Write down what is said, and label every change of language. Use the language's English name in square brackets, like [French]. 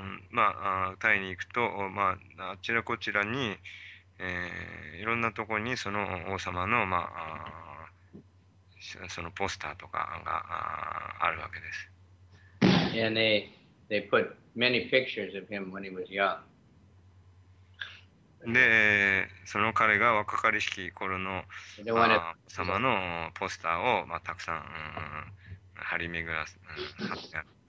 [Japanese] まあ、タイに行くと、まあ、あちらこちらに、いろんなところにその王様の、まあ、そのポスターとかがあるわけです。 [English] And they put many pictures of him when he was young. [Japanese] で、その彼が若かりしき頃の、 [English] don't want to. [Japanese] まあ、王様のポスターを、まあ、たくさん、張り巡らす、貼ってある。